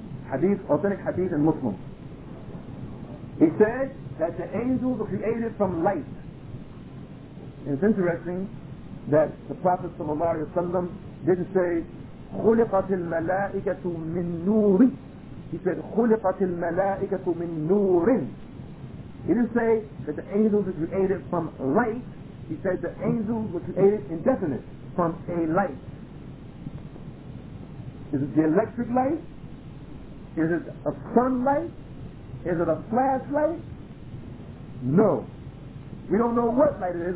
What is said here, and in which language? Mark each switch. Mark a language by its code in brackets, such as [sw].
[en] Hadith, authentic hadith in Muslim. He said that the angels are created from light. And it's interesting that the Prophet sallallahu alayhi wa sallam didn't say [ar] خُلِقَتِ الْمَلَائِكَةُ مِنْ نُورٍ. [en] He said, [ar] خُلِقَتِ الْمَلَائِكَةُ مِنْ نُورٍ. [en] He didn't say that the angels were created from light. He said the angels were created indefinite from a light. Is it the electric light? Is it a sunlight? Is it a flashlight? No. We don't know what light it is.